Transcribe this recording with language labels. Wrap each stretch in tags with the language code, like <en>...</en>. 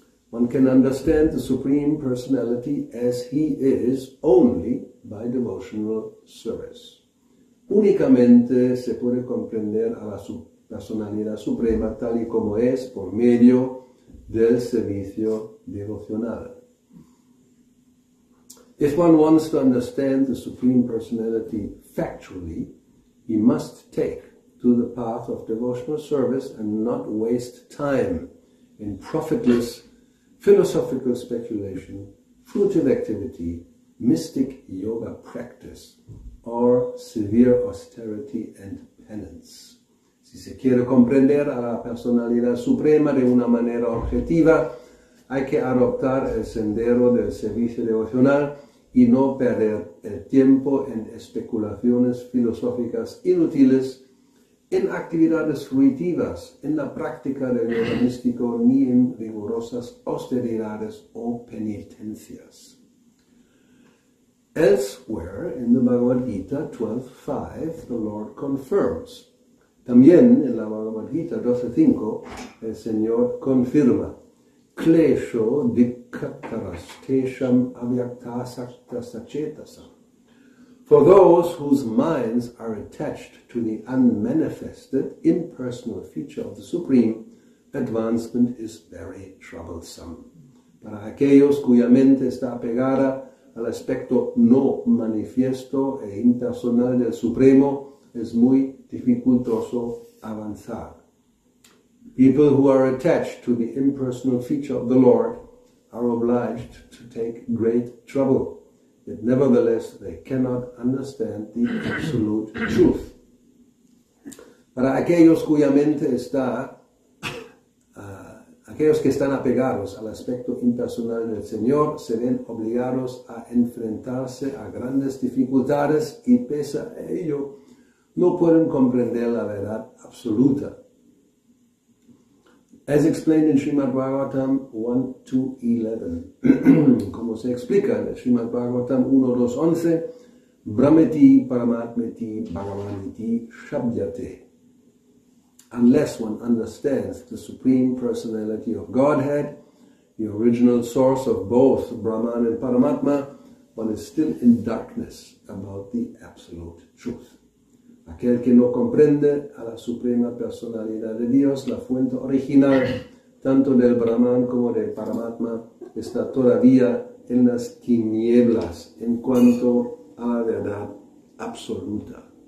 <en>One can understand the Supreme Personality as he is only by devotional service.</en> <es>Únicamente se puede comprender a la personalidad suprema tal y como es por medio del servicio devocional.</es> <en>If one wants to understand the Supreme Personality factually, he must take to the path of devotional service and not waste time in profitless philosophical speculation furtive activity, mystic yoga practice, or severe austerity and penance.</en> <es>Si se quiere comprender a la personalidad suprema de una manera objetiva, hay que adoptar el sendero del servicio devocional y no perder el tiempo en especulaciones filosóficas inútiles, en actividades fruitivas, en la práctica del yoga místico, ni en rigurosas austeridades o penitencias.</es> <en>Elsewhere in the Bhagavad Gita 12.5, the Lord confirms.</en> <es>También en la Bhagavad Gita 12.5, el Señor confirma.</es> <sa>Klesho dikkataraskesham avyaktasaktasachetasam.</sa> <en>For those whose minds are attached to the unmanifested, impersonal feature of the Supreme, advancement is very troublesome.</en> <es>Para aquellos cuya mente está apegada al aspecto no manifiesto e impersonal del Supremo, es muy dificultoso avanzar.</es> <en>People who are attached to the impersonal feature of the Lord are obliged to take great trouble, yet nevertheless they cannot understand the absolute truth.</en> <es>Para aquellos cuya mente está, aquellos que están apegados al aspecto impersonal del Señor se ven obligados a enfrentarse a grandes dificultades y pese a ello no pueden comprender la verdad absoluta.</es> <en>As explained in Srimad Bhagavatam 1.2.11,</en> <es>como se explica en Srimad Bhagavatam 1.2.11,</es> <sa>Brahmeti Paramatmeti Bhagavaniti Shabdyate.</sa> <en>Unless one understands the Supreme Personality of Godhead, the original source of both Brahman and Paramatma, one is still in darkness about the absolute truth.</en> <es>Aquel que no comprende a la suprema personalidad de Dios, la fuente original, tanto del Brahman como del Paramatma, está todavía en las tinieblas en cuanto a la verdad absoluta.</es>